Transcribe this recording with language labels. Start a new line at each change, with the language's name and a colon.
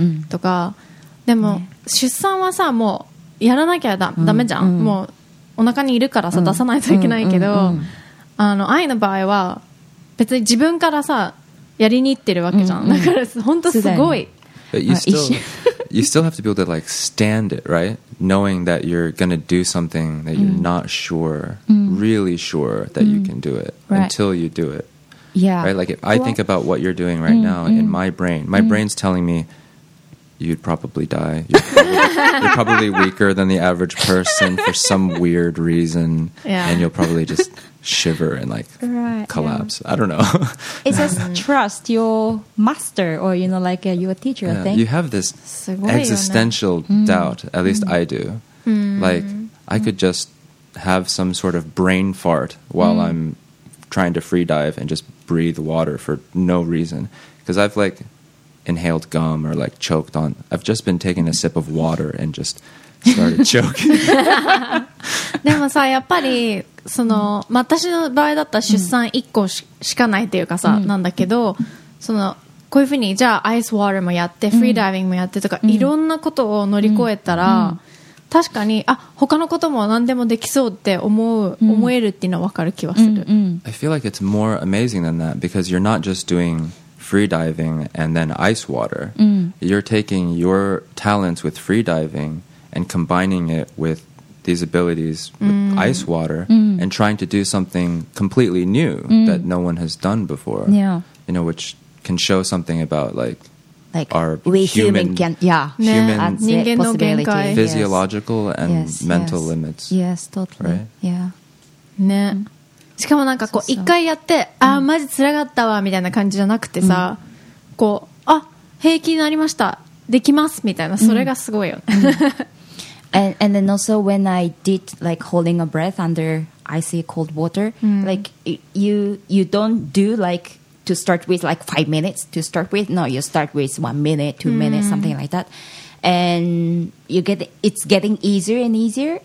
Japanese: とかでも、ね、出産はさもうやらなきゃダメじゃん、もうお腹にいるからさ、出さないといけないけど、愛の場合は別に自分からさやりに行ってるわけじゃん、だから本当すごい。
English: But you still have to be able to like stand it, right? Knowing that you're gonna do something that you're not sure, really sure that you can do it until you do it. Yeah. Right? Like, if I think about what you're doing right now in my brain, my brain's telling me you'd probably die. You're probably weaker than the average person for some weird reason. Yeah. And you'll probably just shiver and, like, collapse. Yeah. I don't know. It's just trust your master or, you know, like your teacher, I think. You have this existential doubt, at least I do. Like, I could just have some sort of brain fart while I'm trying to free dive and just breathe water for no reason. Because I've, like, inhaled gum or, like, choked on... I've just been taking a sip of water and just started choking. But, yeah,
Japanese: その、まあ、私の場合だったら出産1個 しかないっていうかさ、なんだけど、そのこういうふうにじゃあアイスウォーターもやってフリーダイビングもやってとか、いろんなことを乗り越えたら、確かにあ他のことも何でもできそうって思う、思えるっていうのは分かる気はする。
English: I feel like it's more amazing than that because you're not just doing free diving and then ice water. You're taking your talents with free diving and combining it withthese abilities with ice water and trying to do something completely new that no one has done before. Yeah. You know, which can show something about like our human can, possibility. Physiological and mental limits. Yes, totally. Right? Yeah.
Japanese: ね。しかもなんかこう一回やって、ああ、マジ辛かったわみたいな感じじゃなくてさ、こう、あ、平気になりました。できますみたいな、それがすごいよね。
English: And then also when I did like holding a breath under icy cold water, like you don't do like to start with like 5 minutes to start with. No, you start with 1 minute, two minutes, something like that. And you get it's getting easier and easier.